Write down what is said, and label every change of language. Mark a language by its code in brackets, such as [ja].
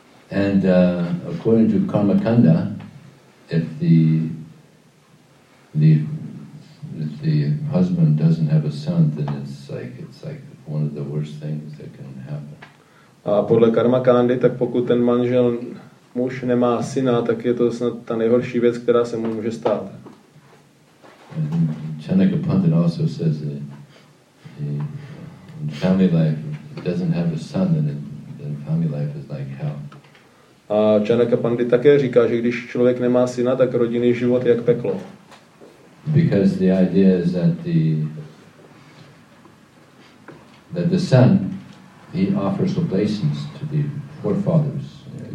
[en] And according to Karma Kanda, if the husband doesn't have a son, then it's like one of the worst things that can happen. [cs] A podle Karma Kandy, tak pokud ten manžel muž nemá syna, tak je to snad ta nejhorší věc, která se mu může stát. [en] Chanakya Pandit also says that when family life doesn't have a son, then family life is like hell. [cs] A Chanakya Pandit také říká, že když člověk nemá syna, tak rodinný život je jak peklo. [en] Because the idea is that the son, he offers obeisance to the forefathers.